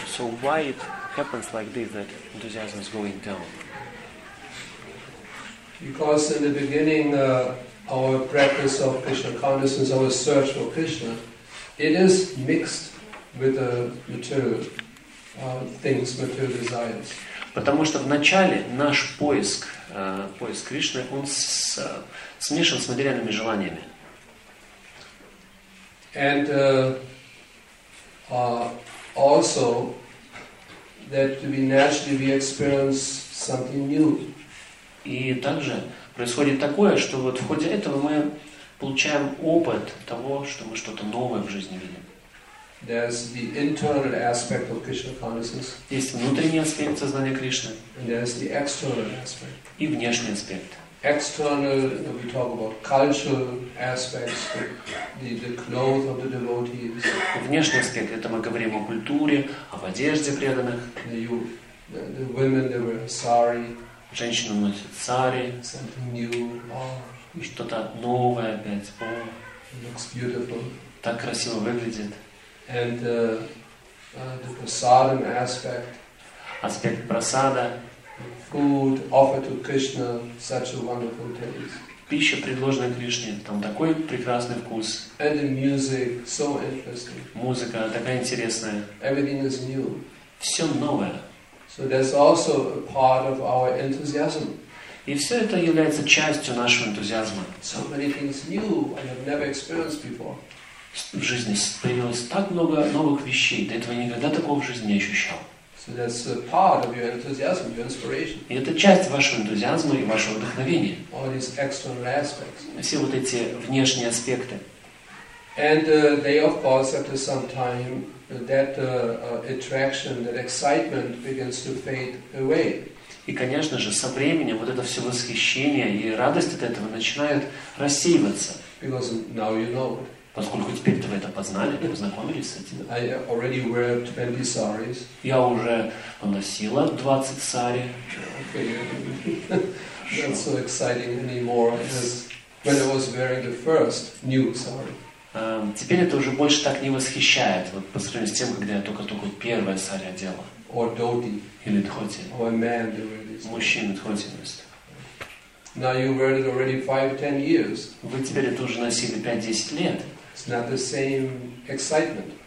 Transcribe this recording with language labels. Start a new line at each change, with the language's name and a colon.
English: So why it happens like this, that enthusiasm is going down? Because in the beginning, our practice of Krishna consciousness, our search for Krishna, it is mixed with the material things, material desires.
Russian: Потому что вначале наш поиск, поиск Кришны, он смешан с материальными желаниями.
English: And also that we naturally we experience something new.
Russian: И также происходит такое, что вот в ходе этого мы получаем опыт того, что мы что-то новое в жизни видим.
English: There's the internal aspect of Krishna consciousness.
Russian: Есть внутренний аспект сознания Кришны.
English: And there's the external aspect.
Russian: И внешний аспект.
English: External, we talk about cultural aspects, the clothes of the devotees.
Russian: Внешний аспект, это мы говорим о культуре, об одежде преданных.
English: The women, they wear sari.
Russian: Женщины носят сари.
English: Something new.
Russian: И что-то новое опять. О,
English: looks beautiful.
Russian: Так красиво выглядит.
English: And the prasadam aspect.
Russian: Аспект прасада.
English: Food offered to Krishna, such a wonderful taste.
Russian: Пища, предложенная Кришне, там такой прекрасный вкус.
English: And the music, so interesting.
Russian: Музыка такая интересная.
English: Everything is new.
Russian: Все новое.
English: So that's also a part of our enthusiasm.
Russian: И все это является частью нашего энтузиазма.
English: So many things new I have never experienced before.
Russian: В жизни появилось так много новых вещей, до этого никогда такого в жизни не ощущал.
English: So that's a part of your enthusiasm, your inspiration.
Russian: И это часть вашего энтузиазма и вашего вдохновения.
English: All these external aspects.
Russian: Все вот эти внешние аспекты.
English: And they of course after some time that attraction, that excitement begins to fade away.
Russian: И конечно же со временем вот это все восхищение и радость от этого начинают рассеиваться.
English: Because now you know.
Russian: Поскольку теперь-то вы это познали, вы познакомились с этим.
English: I already wear 20 saris.
Russian: Я уже поносила 20 сари.
English: Okay. Not so exciting anymore as when I was wearing the first new sari.
Russian: Теперь это уже больше так не восхищает, вот по сравнению с тем, когда я только-только первое сари одела.
English: Or dhoti.
Russian: Или дхоти.
English: Or man, they wear this.
Russian: Мужчины дхоти носят.
English: Now you wear it already 5-10 years.
Russian: Вы теперь это уже носили 5-10 лет.
English: It's not the same excitement.